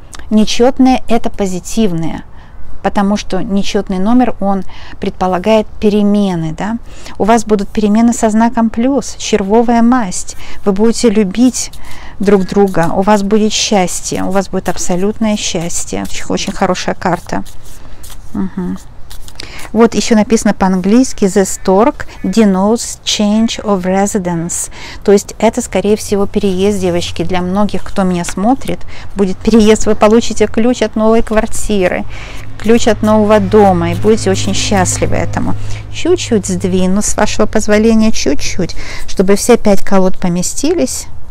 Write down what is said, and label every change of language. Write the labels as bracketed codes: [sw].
[ru] Нечетное – это позитивное, потому что нечетный номер, он предполагает перемены, да? У вас будут перемены со знаком плюс, червовая масть. Вы будете любить друг друга, у вас будет счастье, у вас будет абсолютное счастье. Очень, очень хорошая карта. Угу. Вот еще написано по-английски [en] «The stork denotes change of residence». [ru] То есть это, скорее всего, переезд, девочки. Для многих, кто меня смотрит, будет переезд. Вы получите ключ от новой квартиры, ключ от нового дома, и будете очень счастливы этому. Чуть-чуть сдвину, с вашего позволения, чуть-чуть, чтобы все пять колод поместились.